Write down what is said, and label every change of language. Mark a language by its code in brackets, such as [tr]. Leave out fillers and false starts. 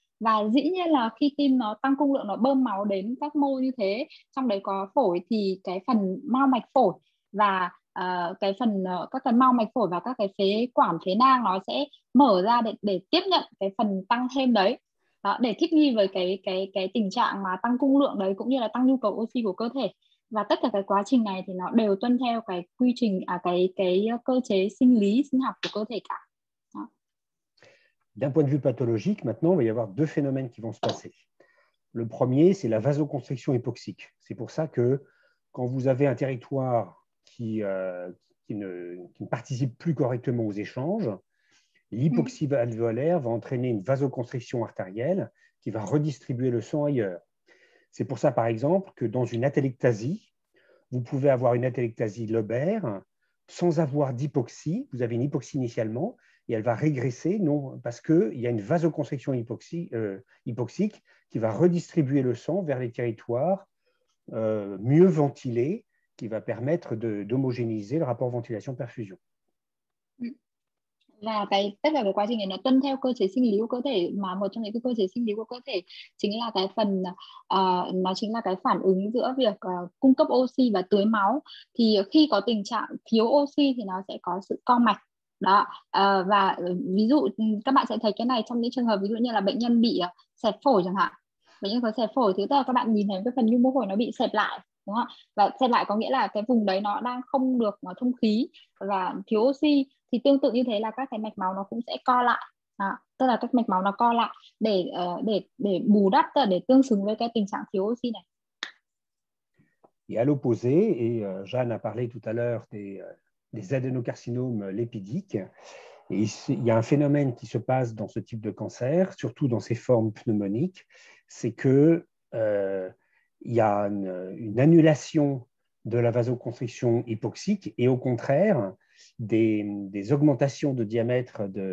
[vi] Và dĩ nhiên là khi tim nó tăng cung lượng, nó bơm máu đến các mô như thế, trong đấy có phổi, thì cái phần mao mạch phổi và cái phần các cái mao mạch phổi và các cái phế quản phế nang nó sẽ mở ra để tiếp nhận cái phần tăng thêm đấy. Đó, để thích nghi với cái tình trạng mà tăng cung lượng đấy cũng như là tăng nhu cầu oxy của cơ thể. Và tất cả cái quá trình này thì nó đều tuân theo cái quy trình cái cơ chế sinh lý sinh học của cơ thể cả. [fr] D'un point de vue pathologique, maintenant, il va y avoir deux phénomènes qui vont se passer. Le premier, c'est la vasoconstriction hypoxique. C'est pour ça que quand vous avez un territoire qui ne participe plus correctement aux échanges, l'hypoxie alvéolaire va entraîner une vasoconstriction artérielle qui va redistribuer le sang ailleurs. C'est pour ça, par exemple, que dans une atélectasie, vous pouvez avoir une atélectasie lobaire sans avoir d'hypoxie. Vous avez une hypoxie initialement. Et elle va régresser, non, parce qu'il y a une vasoconstriction hypoxique qui va redistribuer le sang vers les territoires mieux ventilés, qui va permettre d'homogénéiser le rapport ventilation-perfusion. [vi] Và cái tất cả cái quá trình này nó tuân theo cơ chế sinh lý của cơ thể, mà một trong những cái cơ chế sinh lý của cơ thể chính là cái phần nó chính là cái phản ứng giữa việc cung cấp oxy và tưới máu. Thì khi có tình trạng thiếu oxy thì nó sẽ có sự co mạch đó, và ví dụ các bạn sẽ thấy cái này trong những trường hợp ví dụ như là bệnh nhân bị xẹp phổi chẳng hạn. Bệnh nhân có xẹp phổi thì tức là các bạn nhìn thấy cái phần nhu mô phổi nó bị xẹp lại, đúng không? Và xẹp lại có nghĩa là cái vùng đấy nó đang không được thông khí và thiếu oxy. Thì tương tự như thế là các cái mạch máu nó cũng sẽ co lại, đó. Tức là các mạch máu nó co lại để bù đắp, tức là để tương xứng với cái tình trạng thiếu oxy này. [fr] Et à l'opposé, et Jeanne a parlé tout à l'heure des adénocarcinomes lipidiques, et il y a un phénomène qui se passe dans ce type de cancer, surtout dans ces formes pneumoniques, c'est que il y a une annulation de la vasoconstriction hypoxique et au contraire des augmentations de diamètre